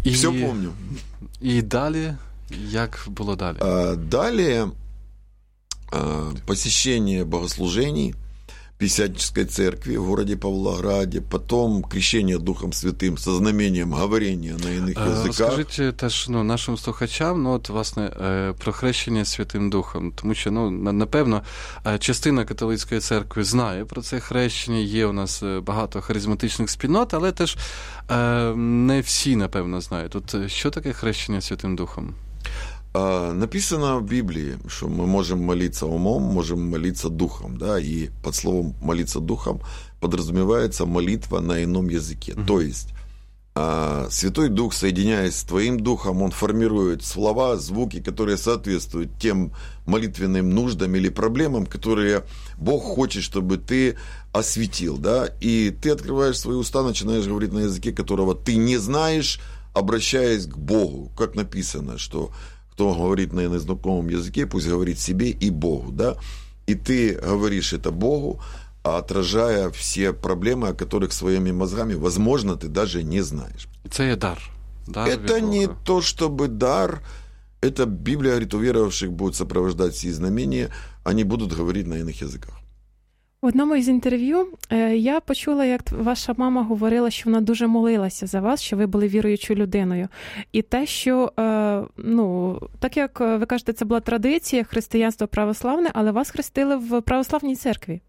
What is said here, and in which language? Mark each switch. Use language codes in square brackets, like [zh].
[ru] И... Все помню. И далее, как было далее? Далее посещение богослужений Пятидесятнической церкви в городе Павлограде, потом крещение Духом Святым со знамением говорения на иных языках. [uk] Скажите теж, ну, нашим слухачам, ну, от, власне, про хрещення Святим Духом, тому що, ну, напевно, частина католицької церкви знає про це хрещення, є у нас багато харизматичних спільнот, але теж не всі, напевно, знають. От що таке хрещення Святим Духом? [ru] Написано в Библии, что мы можем молиться умом, можем молиться духом, да, и под словом «молиться духом» подразумевается молитва на ином языке. Mm-hmm. То есть Святой Дух, соединяясь с твоим духом, он формирует слова, звуки, которые соответствуют тем молитвенным нуждам или проблемам, которые Бог хочет, чтобы ты осветил, да, и ты открываешь свои уста, начинаешь говорить на языке, которого ты не знаешь, обращаясь к Богу, как написано, что кто говорит на незнакомом языке, пусть говорит себе и Богу, да? И ты говоришь это Богу, отражая все проблемы, о которых своими мозгами, возможно, ты даже не знаешь. Это и дар. Это не то, чтобы дар. Это Библия говорит, у верующих будут сопровождать все знамения, они будут говорить на иных языках. [uk] В одному із інтерв'ю я почула, як ваша мама говорила, що вона дуже молилася за вас, що ви були віруючою людиною. І те, що, ну, так як ви кажете, це була традиція, християнство православне, але вас хрестили в православній церкві.